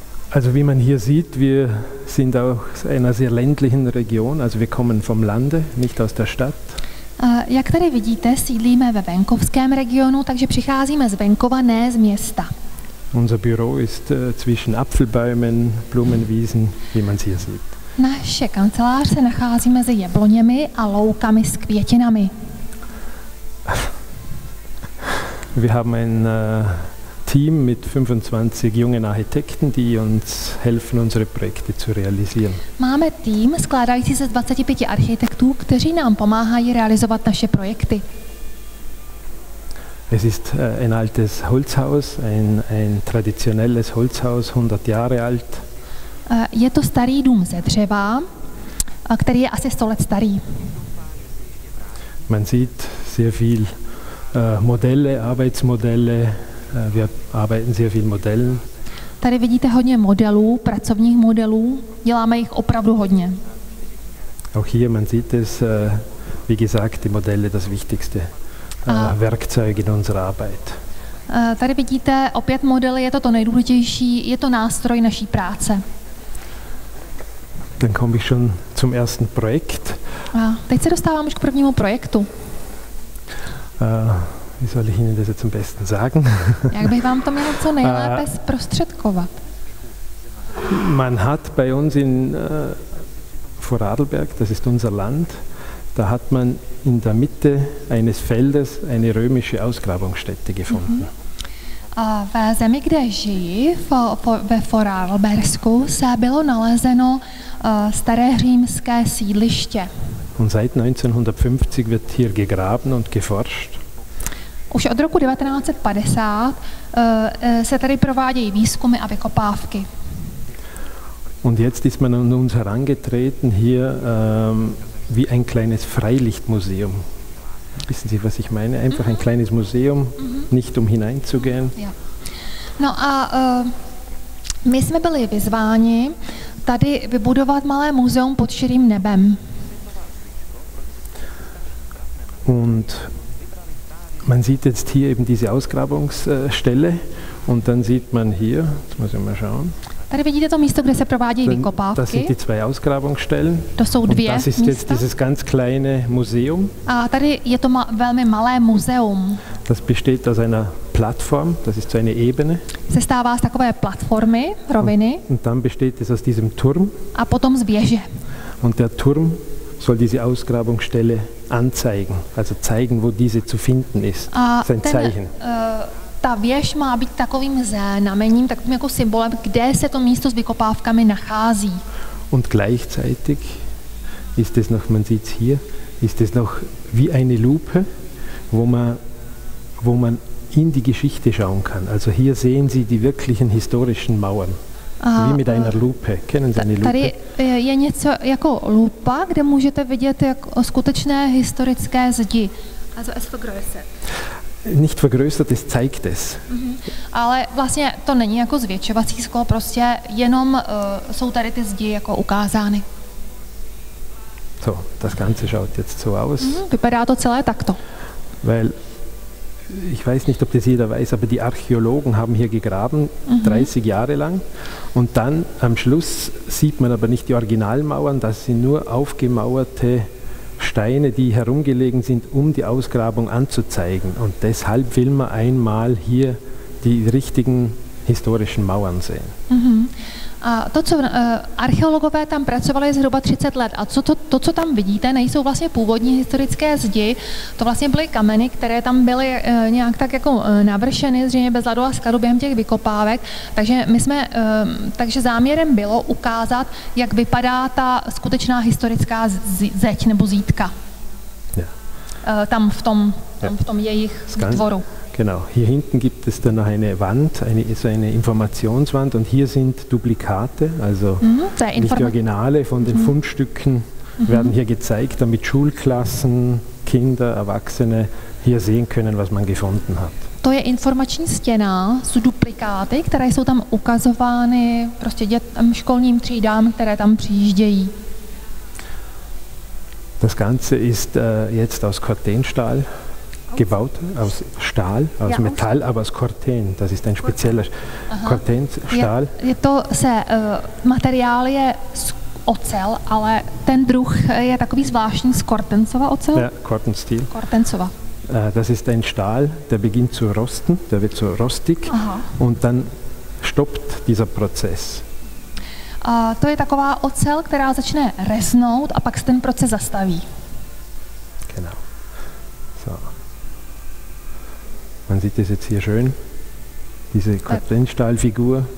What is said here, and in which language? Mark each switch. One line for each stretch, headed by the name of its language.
German: Also wie man hier sieht, wir sind auch aus einer sehr ländlichen Region, also wir kommen vom Lande, nicht aus der Stadt.
Czech: Jak tady vidíte, sídlíme ve venkovském regionu, takže přicházíme z venkova, ne z města.
German: Unser Büro ist zwischen Apfelbäumen, Blumenwiesen, wie man es hier sieht.
Czech: Naše kancelář se nachází mezi jabloněmi a loukami s květinami.
German: Wir haben ein Team mit 25 jungen Architekten, die uns helfen, unsere Projekte zu realisieren.
Czech: Máme tým skládající se z 25 architektů, kteří nám pomáhají realizovat naše projekty.
German: Es ist ein altes Holzhaus, ein traditionelles Holzhaus, 100 Jahre alt.
Czech: Je to starý dům ze dřeva, který je asi 100 let starý.
German: Man sieht sehr viel Modelle, Arbeitsmodelle. Wir arbeiten sehr viel Modellen.
Czech: Tady vidíte hodně modelů, pracovních modelů. Děláme jich opravdu hodně.
German: Auch hier man sieht es, wie gesagt, die Modelle das wichtigste Werkzeug in unserer Arbeit.
Czech: Tady vidíte opět modely, je to to nejdůležitější, je to nástroj naší práce.
German: Dann komme ich schon zum ersten Projekt.
Czech: A teď se dostávám už k prvnímu projektu.
German: Wie soll ich Ihnen das jetzt am besten sagen?
Czech: Jak bych vám to měl co nejlépe zprostředkovat?
German: Man hat bei uns in Vorarlberg, das ist unser Land, da hat man in der Mitte eines Feldes eine römische Ausgrabungsstätte gefunden. Mm-hmm.
Czech: Ve zemi, kde žijí, ve Vorarlbersku, se bylo nalezeno staré římské sídliště.
German: Und seit 1950 wird hier gegraben und geforscht.
Czech: Už od roku 1950 se tady provádějí výzkumy a vykopávky.
German: Und jetzt ist man an uns herangetreten hier wie ein kleines Freilichtmuseum. Wissen Sie, was ich meine? Einfach ein kleines Museum, nicht um hineinzugehen. Ja.
Czech: No a my jsme byli vyzváni tady vybudovat malé muzeum pod širým nebem.
German: Und man sieht jetzt hier eben diese Ausgrabungsstelle und dann sieht man hier, jetzt muss ich mal schauen.
Czech: Tady vidíte to místo, kde se provádějí vykopávky.
German: Das sind die zwei Ausgrabungsstellen.
Czech: To jsou dvě místa.
German: Und das ist
Czech: místa.
German: Jetzt dieses ganz kleine Museum.
Czech: A tady je to velmi malé muzeum.
German: Das besteht aus einer Plattform, das ist so eine Ebene.
Czech: Se stává z takové platformy, roviny.
German: Und dann besteht es aus diesem Turm.
Czech: A potom z věže.
German: Und der Turm soll diese Ausgrabungsstelle anzeigen, also zeigen, wo diese zu finden ist.
Czech: A
German: das ist ein
Czech: ten,
German: Zeichen.
Czech: Ta věž má být takovým znamením, takovým jako symbolem, kde se to místo s vykopávkami nachází.
German: Und gleichzeitig ist es noch, man sieht es hier, ist es noch wie eine Lupe, wo man in die Geschichte schauen kann. Also hier sehen Sie die wirklichen historischen Mauern. Aha, wie mit einer Lupe. Kennen Sie eine Lupe?
Czech: Tady je něco jako lupa, kde můžete vidět jako skutečné historické zdi.
German: Also es vergrößert. Nicht vergrößert, es zeigt es.
Czech: Ale vlastně to není jako zvětšovací sklo, prostě jenom jsou tady ty zdi jako ukázány.
German: So, das Ganze schaut jetzt so aus.
Czech: Vypadá to celé takto.
German: Weil ich weiß nicht, ob das jeder weiß, aber die Archäologen haben hier gegraben 30 Jahre lang und dann am Schluss sieht man aber nicht die Originalmauern, das sind nur aufgemauerte Steine, die herumgelegen sind, um die Ausgrabung anzuzeigen. Und deshalb will man einmal hier die richtigen historischen Mauern sehen.
Czech: A to, co archeologové tam pracovali zhruba 30 let, a to, co tam vidíte, nejsou vlastně původní historické zdi, to vlastně byly kameny, které tam byly nějak tak jako navršeny, zřejmě bez ladu a skladu během těch vykopávek, takže my jsme, takže záměrem bylo ukázat, jak vypadá ta skutečná historická zeď nebo zítka. Tam v tom jejich dvoru.
German: Genau, hier hinten gibt es dann noch eine Wand, eine Informationswand und hier sind Duplikate, also nicht die Originale von den Fundstücken werden hier gezeigt, damit Schulklassen, Kinder, Erwachsene hier sehen können, was man gefunden hat.
Czech: To je informační stěna, jsou duplikáty, které jsou tam ukazovány prostě dětem, školním třídám, které tam přijíždějí.
German: Das Ganze ist jetzt aus Kortenstahl. Gebaut aus Stahl, aus Metall, aber aus Korten. Das ist ein spezieller Kortenstahl.
Czech: Je to se materiál je z ocel, ale ten druh je takový zvláštní z Kortenzova ocel.
German: Ja, Kortenstil.
Czech: Kortenzova.
German: Das ist ein Stahl, der beginnt zu rosten, der wird so rostig und dann stoppt dieser Prozess.
Czech: To je taková ocel, která začne resnout a pak se ten proces zastaví.
German: Genau. So. Man sieht es jetzt hier schön, diese Kortenstahlfigur.